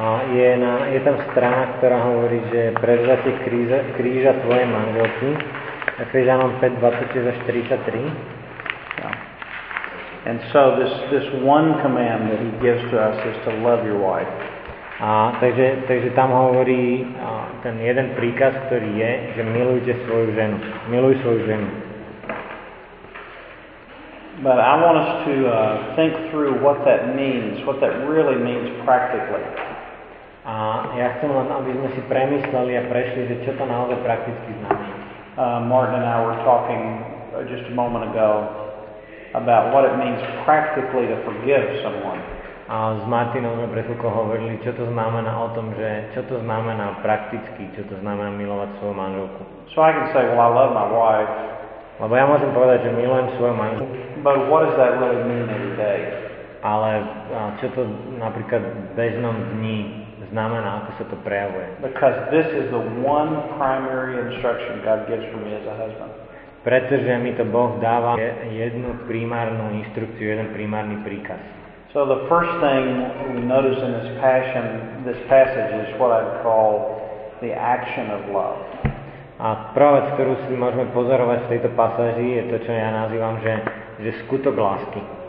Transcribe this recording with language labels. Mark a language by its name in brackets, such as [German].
[Slovak] Je tam strana, ktorá hovorí, že prevzatie kríža tvojej manželky. Efezanom 5:26-33. [English] And so this one command that he gives to us is to love your wife. [Slovak] Takže tam hovorí ten jeden príkaz, ktorý je, že milujte svoju ženu. Miluj svoju ženu. [English] But I want us to think through what that means, what that really means practically. [Slovak] A ja chcem len, aby sme si premysleli a prešli, že čo to naozaj prakticky znamená. [English] Martin and I were talking just a moment ago about what it means practically to forgive someone. [Slovak] A s Martinom sme pred chvíľkou hovorili, čo to znamená o tom, že čo to znamená prakticky, čo to znamená milovať svoju manželku. [English] So I can say, well, I love my wife. [Slovak] Lebo ja môžem povedať, že milujem svoju manželku. [English] But what does that really mean every day? [Slovak] Ale čo to napríklad v bežnom dni znamená, ako sa to prejavuje? [English] Because this is the one primary instruction God gives for me as a husband. [Slovak] Pretože mi to Boh dáva jednu primárnu inštrukciu, jeden primárny príkaz. [English] So the first thing we notice in this passage is what I call the action of love. [Slovak] A prvá vec, ktorú si môžeme pozorovať v tejto pasáži, je to, čo ja nazývam, že skutok lásky.